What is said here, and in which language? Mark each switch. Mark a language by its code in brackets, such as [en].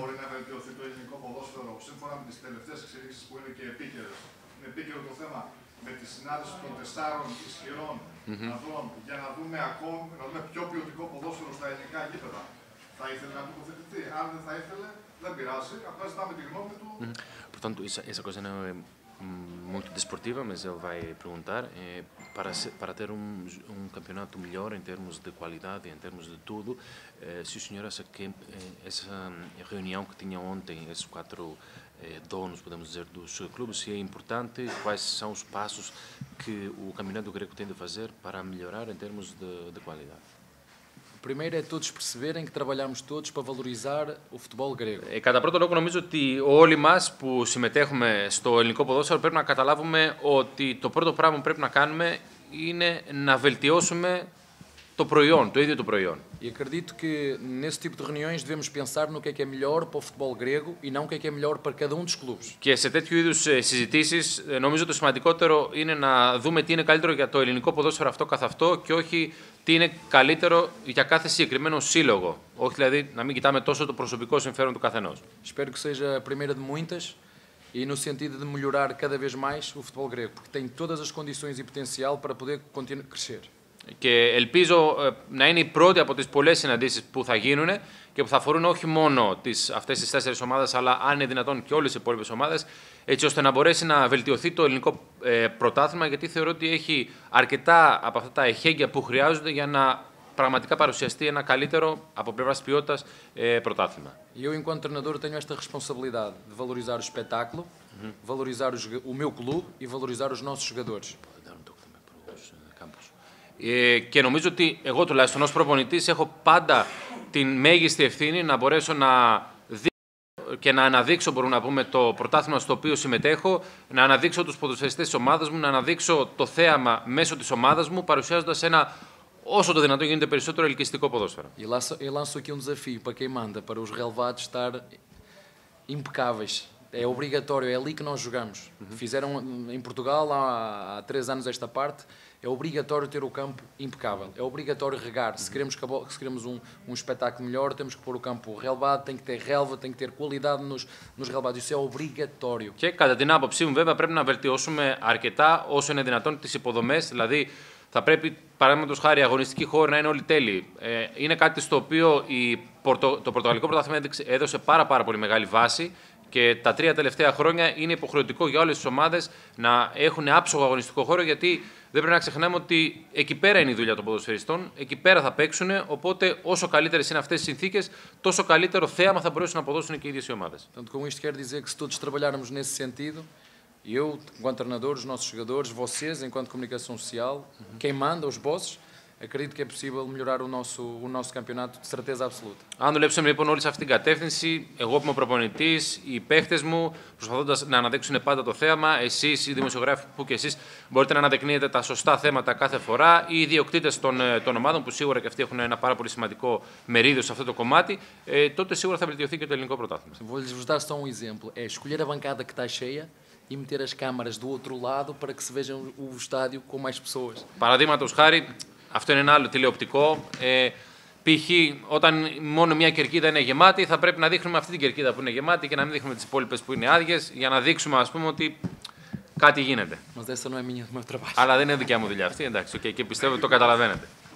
[el] Μπορεί να βελτιωθεί το ελληνικό ποδόσφαιρο σύμφωνα με τις τελευταίες εξελίξεις που είναι και επίκαιρες. Είναι επίκαιρο το θέμα με τη συνάντηση των 4 ισχυρών αδρών για να δούμε ακόμη, να δούμε πιο ποιοτικό ποδόσφαιρο στα ελληνικά γήπεδα. Θα ήθελε να τοποθετηθεί. Αν δεν θα ήθελε, δεν πειράζει. Απλά ζητάμε τη γνώμη του. [pt] Portanto, essa coisa não é muito desportiva, mas ele vai perguntar. Para ter um campeonato melhor em termos de qualidade, em termos de tudo, se o senhor acha que essa reunião que tinha ontem, esses 4 donos, podemos dizer, dos clubes, se é importante, quais são os passos que o campeonato greco tem de fazer para melhorar em termos de qualidade? Primeiro é todos perceberem que trabalhamos todos para valorizar o futebol grego. [el] Κατά πρώτο λόγο, νομίζω ότι όλοι μας που συμμετέχουμε στο ελληνικό ποδόσφαιρο πρέπει να καταλάβουμε ότι το πρώτο πράγμα που πρέπει να κάνουμε είναι να βελτιώσουμε το προϊόν, το ίδιο το προϊόν. [pt] E acredito que nesse tipo de reuniões devemos pensar no que é melhor para o futebol grego e não o que é melhor para cada dos clubes. [el] Και σε τέτοιου είδους συζητήσεις, νομίζω το σημαντικότερο είναι να δούμε τι είναι καλύτερο για το ελληνικό ποδόσφαιρο αυτό καθ' αυτό και όχι τι είναι καλύτερο για κάθε συγκεκριμένο σύλλογο. Όχι δηλαδή να μην κοιτάμε τόσο το προσωπικό συμφέρον του καθενός. [pt] Espero que seja a primeira de muitas e no sentido de melhorar cada vez mais o futebol grego, porque tem todas as condições e potencial para poder continuar a crescer. [el] Και ελπίζω να είναι η πρώτη από τις πολλές συναντήσεις που θα γίνουν και που θα αφορούν όχι μόνο αυτές τις 4 ομάδες, αλλά αν είναι δυνατόν και όλες τις υπόλοιπες ομάδες, έτσι ώστε να μπορέσει να βελτιωθεί το ελληνικό πρωτάθλημα, γιατί θεωρώ ότι έχει αρκετά από αυτά τα εχέγγυα που χρειάζονται για να πραγματικά παρουσιαστεί ένα καλύτερο από πλευρά ποιότητα πρωτάθλημα. Εγώ, [pt] enquanto treinador, tenho esta responsabilidade de valorizar o espetáculo, valorizar o meu clube e valorizar os nossos jogadores. [el] Και νομίζω ότι εγώ τουλάχιστον ως προπονητής έχω πάντα την μέγιστη ευθύνη να μπορέσω να δείξω και να αναδείξω, μπορούμε να πούμε, το πρωτάθλημα στο οποίο συμμετέχω, να αναδείξω τους ποδοσφαιριστές της ομάδας μου, να αναδείξω το θέαμα μέσω της ομάδας μου, παρουσιάζοντας ένα όσο το δυνατόν γίνεται περισσότερο ελκυστικό ποδόσφαιρο. [pt] Eu lanço aqui um desafio para quem manda, para os relevados estar impecáveis. É obrigatório, é ali que nós jogamos. Fizeram em Portugal há 3 anos esta parte. É obrigatório ter o campo impecável. É obrigatório regar. Se queremos um espetáculo melhor, temos que pôr o campo relevado, tem que ter relva, tem que ter qualidade nos relevados. Isso é obrigatório. [el] Και κατά την άποψή μου, βέβαια, πρέπει να βελτιώσουμε αρκετά όσο είναι δυνατόν τις υποδομές. Δηλαδή, θα πρέπει, παραδείγματος χάρη, οι αγωνιστικοί χώροι να είναι όλοι τέλειοι. Είναι κάτι στο οποίο το Πορτογαλικό Πρωτάθλημα έδωσε πάρα, πάρα πολύ μεγάλη βάση. Και τα 3 τελευταία χρόνια είναι υποχρεωτικό για όλες τις ομάδες να έχουν άψογο αγωνιστικό χώρο, γιατί δεν πρέπει να ξεχνάμε ότι εκεί πέρα είναι η δουλειά των ποδοσφαιριστών, εκεί πέρα θα παίξουν. Οπότε, όσο καλύτερες είναι αυτές οι συνθήκες, τόσο καλύτερο θέαμα θα μπορέσουν να αποδώσουν και οι ίδιες οι ομάδες. [pt] Portanto, com isto quero dizer que se todos trabalharmos nesse sentido, eu, enquanto treinador, os nossos jogadores, vocês, enquanto comunicação social, quem manda, os bosses, acredito que é possível melhorar o nosso campeonato, de certeza absoluta. [el] Αν δουλέψουμε λοιπόν όλοι σε αυτήν την κατεύθυνση, εγώ που είμαι προπονητής, οι παίχτες μου, προσπαθώντας να αναδείξουν πάντα το θέαμα, εσείς οι δημοσιογράφοι που και εσείς μπορείτε να αναδεικνύετε τα σωστά θέματα κάθε φορά, οι ιδιοκτήτες των ομάδων που σίγουρα και αυτοί έχουν ένα πάρα πολύ σημαντικό μερίδιο σε αυτό το κομμάτι, τότε σίγουρα θα βελτιωθεί και το ελληνικό πρωτάθλημα. [pt] Vou-lhes dar só um exemplo. É escolher a bancada que está cheia e meter as câmaras do outro lado para que se vejam o estádio com mais pessoas. [el] Παραδείγματος χάρη, αυτό είναι ένα άλλο τηλεοπτικό. Π.χ. όταν μόνο μια κερκίδα είναι γεμάτη, θα πρέπει να δείχνουμε αυτή την κερκίδα που είναι γεμάτη και να μην δείχνουμε τις υπόλοιπες που είναι άδειες, για να δείξουμε, ας πούμε, ότι κάτι γίνεται. Μας δεν στον έμεινε το μέτρο. Αλλά δεν είναι δικιά μου δουλειά αυτή, εντάξει, okay, και πιστεύω ότι το καταλαβαίνετε.